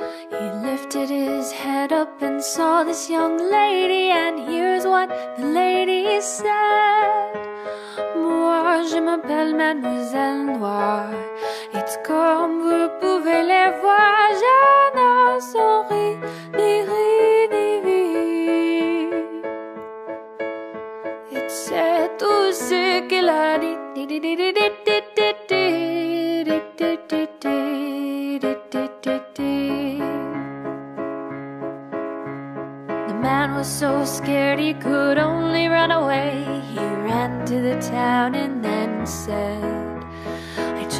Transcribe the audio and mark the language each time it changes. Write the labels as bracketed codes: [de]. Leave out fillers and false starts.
[en] He lifted his head up and saw this young lady, and here's what the lady said, [fr] moi je m'appelle Mademoiselle Noir. Et comme vous pouvez le voir, je n'en souris ni rit ni vit. Et c'est tout ce qu'il a dit. [en] The man was so scared he could only run away. He ran to the town and then said, I just